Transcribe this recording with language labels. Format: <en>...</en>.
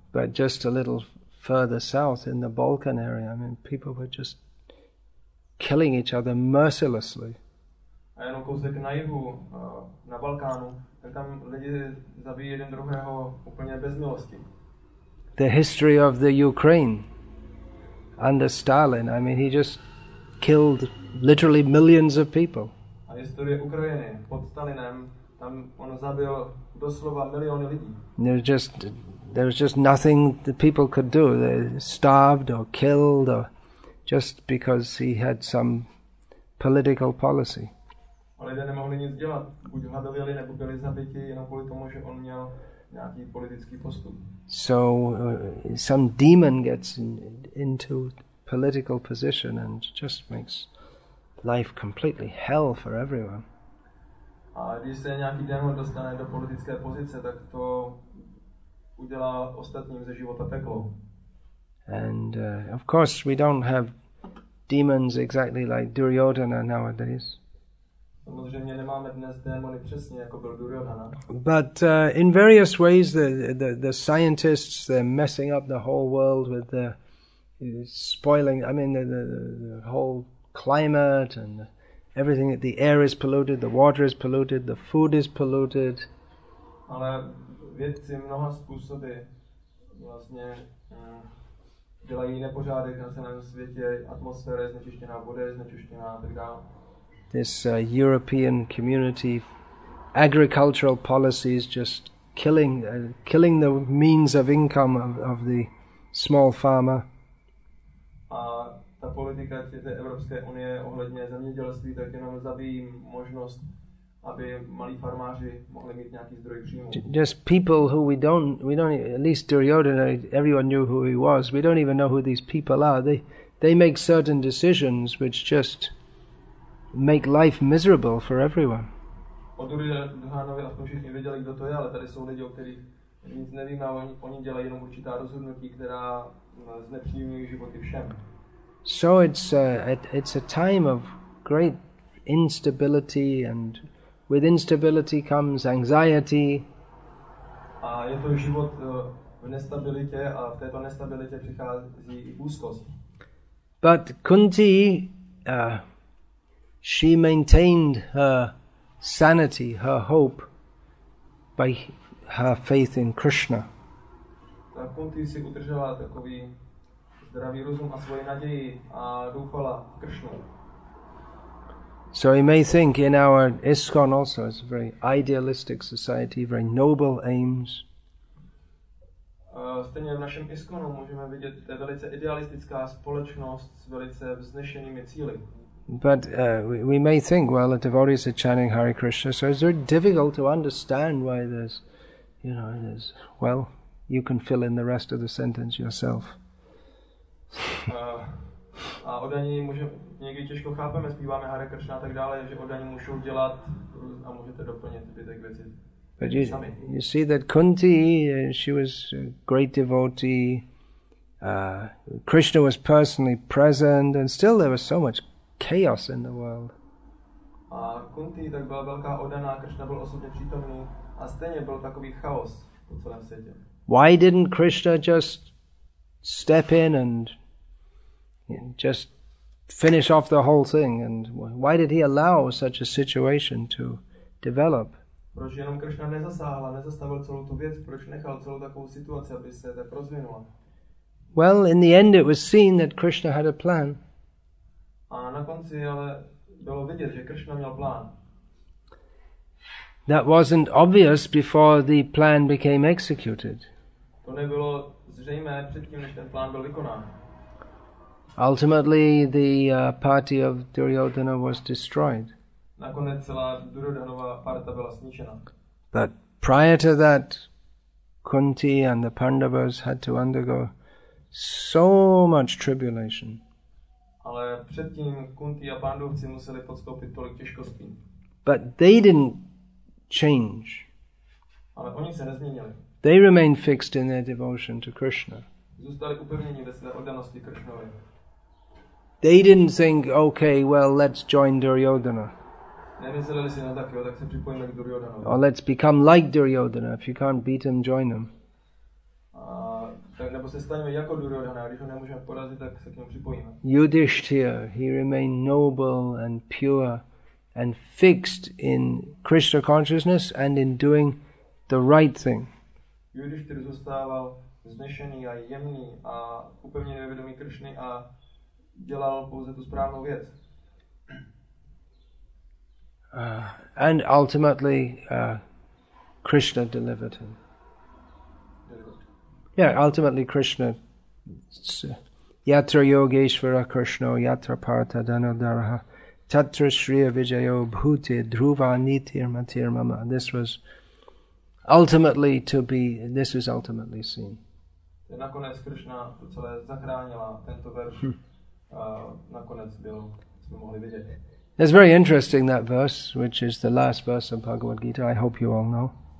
<en>But just a little further south in the Balkan area, I mean, people were just killing each other mercilessly.</en> <cs>A jenom kousek na jihu, na Balkánu, tak tam lidi zabijí jeden druhého úplně bez milosti.</cs> <en>The history of the Ukraine under Stalin, I mean, he just killed literally millions of people.</en> <cs>A historie Ukrajiny pod Stalinem, tam on zabil doslova miliony lidí.</cs> <en>There was just nothing the people could do. They starved or killed or just because he had some political policy.</en> <cs>A lidé nemohli nic dělat. Buď hladověli, nebo byli zabiti jenom kvůli tomu, že on měl nějaký politický postup.</cs> <en>So some demon gets into political position and just makes life completely hell for everyone.</en> <cs>A když se nějaký demon dostane do politické pozice, tak to udělá ostatním ze života peklo.</cs> <en>And of course we don't have demons exactly like Duryodhana nowadays.</en> <cs>Samozřejmě nemáme dnes démony přesně jako byl Duryodhana.</cs> <en>But in various ways the scientists, they're messing up the whole world with the spoiling, I mean the whole climate and everything. The air is polluted, the water is polluted, the food is polluted.</en> <cs>Ale vědci mnoha způsoby vlastně dělají nepořádek na celém světě, atmosféra je znečištěná, voda je znečištěná a tak dále.</cs> <en>This European community agricultural policies just killing the means of income of the small farmer.</en> <cs>A ta politika té Evropské unie ohledně zemědělství tak jenom zabíjí možnost, aby malí farmáři mohli mít nějaký zdroj příjmu.</cs> <en>Just people who we don't at least Duryodhana, everyone knew who he was. We don't even know who these people are. They make certain decisions which just make life miserable for everyone.</en> <cs>O Duryodhanovi aspoň všichni věděli, kdo to je, ale tady jsou lidi, o kterých nic nevím, a oni dělají jenom určitá rozhodnutí, která znepříjemňují životy všem.</cs> <en>So it's a time of great instability, and with instability comes anxiety.</en> <cs>A je to život v nestabilitě a v této nestabilitě přichází i úzkost.</cs> <en>But Kunti, she maintained her sanity, her hope, by her faith in Krishna.</en> <cs>Ta Kunti si udržela takový zdravý rozum a svoji naději a doufala v Krishnu.</cs> <en>So you may think in our ISKCON also it's a very idealistic society, very noble aims.</en> <cs>Stejně v našem ISKCONu můžeme vidět, to je velice idealistická společnost s velice vznešenými cíli.</cs> <en>But we may think, well, the devotees are chanting Hare Krishna, so it's very difficult to understand why there's, you know, there's, well, you can fill in the rest of the sentence yourself.</en> <cs>A oddaní můžeme, někdy těžko chápeme, zpíváme Hare Krishna a tak dále, že oddaní můžou dělat a můžete doplnit zbytek věci</cs> <en>But you see that Kunti, she was a great devotee. Krishna was personally present, and still there was so much chaos in the world.</en> <cs>A Kunti tak byla velká oddaná, Krishna byl osobně přítomný, a stejně byl takový chaos po celém světě.</cs> <en>Why didn't Krishna just step in and just finish off the whole thing? And why did he allow such a situation to develop?</en> <cs>Proč jenom Krishna nezasáhl, nezastavil celou tu věc? Proč nechal celou takovou situaci, aby se tak rozvinula?</cs> <en>Well, in the end it was seen that Krishna had a plan.</en> <cs>A na konci ale bylo vidět, že Krishna měl plán.</cs> <en>That wasn't obvious before the plan became executed.</en> <cs>To nebylo zřejmé předtím, než ten plán byl vykonán.</cs> <en>Ultimately, the party of Duryodhana was destroyed.</en> <cs>Nakonec celá Duryodhanova parta byla zničena.</cs> <en>But prior to that, Kunti and the Pandavas had to undergo so much tribulation.</en> <cs>Ale předtím Kunti a Pandavci museli podstoupit tolik těžkostí.</cs> <en>But they didn't change.</en> <cs>Ale oni se nezměnili.</cs> <en>They remained fixed in their devotion to Krishna.</en> <cs>Zůstali upevněni ve své oddanosti Krishnovi.</cs> <en>They didn't think, okay, well, let's join Duryodhana.</en> <cs>Nemysleli si, no, tak jo, tak se připojíme k Duryodhanovi.</cs> <en>Or let's become like Duryodhana. If you can't beat him, join him.</en> <cs>Tak nebo se staneme jako Duryodhana, když ho nemůžeme porazit, tak se k němu připojíme.</cs> <en>Yudhishthira, he remained noble and pure and fixed in Krishna consciousness and in doing the right thing.</en> <cs>Yudhishthir zůstával vznešený a jemný a upevněný ve vědomí Krishny a dělal pouze tu správnou věc.</cs> <en>And ultimately Krishna delivered him. Yeah, ultimately Krishna,</en> <sa>Yatra Yogeshvara Krishna, Yatra Partha Dhanodaraha, Tatra Shriya Vijayo Bhuti Dhruva Nitir Matir Mama.</sa> <en>This was ultimately seen.</en> <cs>Nakonec Krishna to celé zachránila, tento verš nakonec byl, jsme mohli vidět.</cs> <en>It's very interesting, that verse, which is the last verse of Bhagavad Gita, I hope you all know.</en>